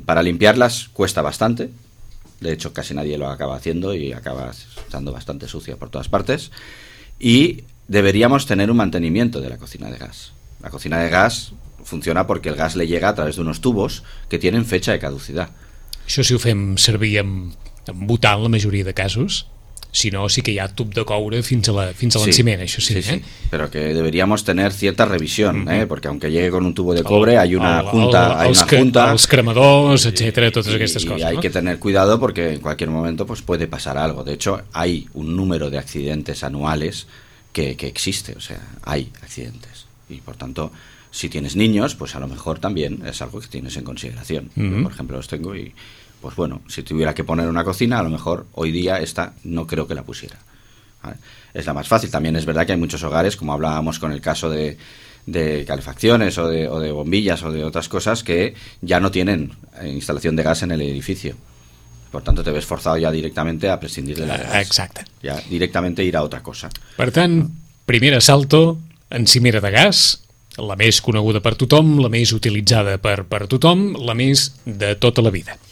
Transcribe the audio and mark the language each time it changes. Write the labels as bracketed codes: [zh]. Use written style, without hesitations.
[es] Para limpiarlas cuesta bastante, de hecho casi nadie lo acaba haciendo y acaba estando bastante sucia por todas partes. Y deberíamos tener un mantenimiento de la cocina de gas. La cocina de gas funciona porque el gas le llega a través de unos tubos que tienen fecha de caducidad. [ca] Això, si ho fem servir en butà, en la majoria de casos, si no, sí que hi ha tub de coure fins a l'enciment, sí, això sí. [es] Sí, però que deberíamos tener cierta revisión, mm-hmm. Porque aunque llegue con un tubo de cobre hay una junta... [ca] Els cremadors, etc., totes aquestes coses. [es] Y hay que tener cuidado porque en cualquier momento pues puede pasar algo. De hecho, hay un número de accidentes anuales que existe, o sea, hay accidentes. Y por tanto... Si tienes niños, pues a lo mejor también es algo que tienes en consideración. Uh-huh. Por ejemplo, los tengo y, pues bueno, si tuviera que poner una cocina, a lo mejor hoy día esta no creo que la pusiera. ¿Vale? Es la más fácil. También es verdad que hay muchos hogares, como hablábamos con el caso de calefacciones o de bombillas o de otras cosas, que ya no tienen instalación de gas en el edificio. Por tanto, te ves forzado ya directamente a prescindir de la gas. [ca] Exacte. [es] Ya directamente ir a otra cosa. [ca] Per tant, primer assalto, encimera de gas... La més coneguda per tothom, la més utilitzada per tothom, la més de tota la vida.